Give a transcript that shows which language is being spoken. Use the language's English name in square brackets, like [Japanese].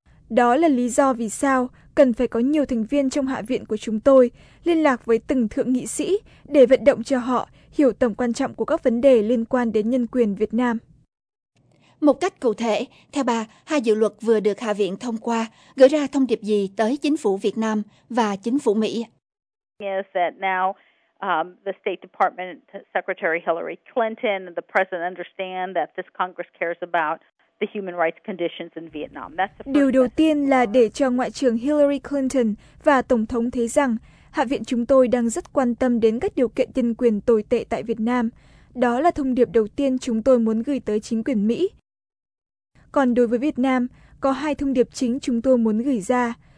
[Vietnamese] Đó là lý do vì sao cần phải có nhiều thành viên trong Hạ viện của chúng tôi liên lạc với từng thượng nghị sĩ để vận động cho họ hiểu tầm quan trọng của các vấn đề liên quan đến nhân quyền Việt Nam. Một cách cụ thể, theo bà, hai dự luật vừa được Hạ viện thông qua gửi ra thông điệp gì tới chính phủ Việt Nam và chính phủ Mỹ? [English] The State Department Secretary Hillary Clinton and the President understand that this Congress cares about the human rights conditions in Vietnam. [Vietnamese] Điều đầu tiên là để cho Ngoại trưởng Hillary Clinton và Tổng thống thấy rằng Hạ viện chúng tôi đang rất quan tâm đến các điều kiện nhân quyền tồi tệ tại Việt Nam. Đó là thông điệp đầu tiên chúng tôi muốn gửi tới chính quyền Mỹ. Còn đối với Việt Nam, có hai thông điệp chính chúng tôi muốn gửi ra.